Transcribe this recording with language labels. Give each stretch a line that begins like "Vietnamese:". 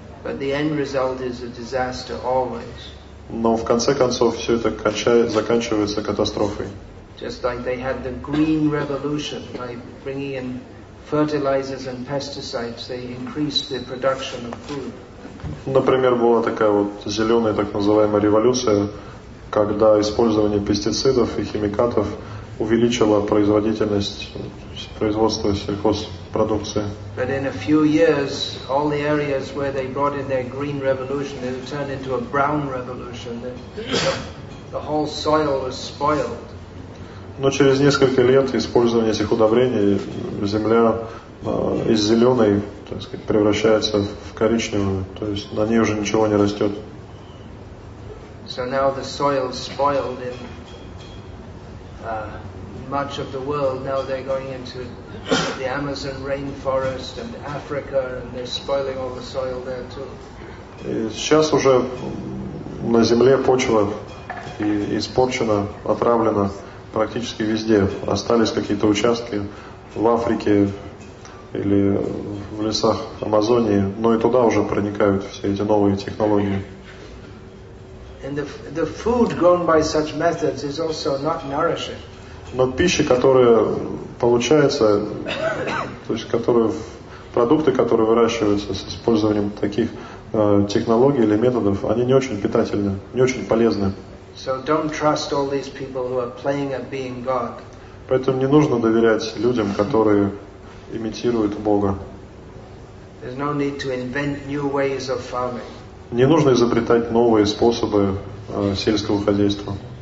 English: But the end result is a disaster always.
Russian: Но в конце концов все это заканчивается катастрофой.
English: Just like they had the green revolution by bringing in fertilizers and pesticides, they increased the production of food.
Russian: Например, была такая вот зеленая так называемая революция, когда использование пестицидов и химикатов увеличило производительность производства сельхозпродукции.
English: But in a few years, all the areas where they brought in their green revolution, it turned into a brown revolution. The whole soil was spoiled.
Russian: Но через несколько лет использование этих удобрений земля из зеленой, так сказать, превращается в коричневую, то есть на ней уже ничего не растет.
English: So now the soil is spoiled in much of the world. Now they're going into the Amazon rainforest and Africa, and they're spoiling all the soil there too.
Russian: И сейчас уже на земле почва испорчена, отравлена практически везде. Остались какие-то участки в Африке или в лесах Амазонии, но и туда уже проникают все эти новые технологии.
English: And the food grown by such methods is also not nourishing.
Russian: Но пища, которая получается, то есть которые продукты, которые выращиваются с использованием таких технологий или методов, они не очень питательны, не очень полезны.
English: So don't trust all these people who are playing at being God.
Russian: Поэтому не нужно доверять людям, которые имитируют Бога.
English: There's no need to invent new ways of farming.
Russian: Не нужно изобретать новые способы сельского хозяйства.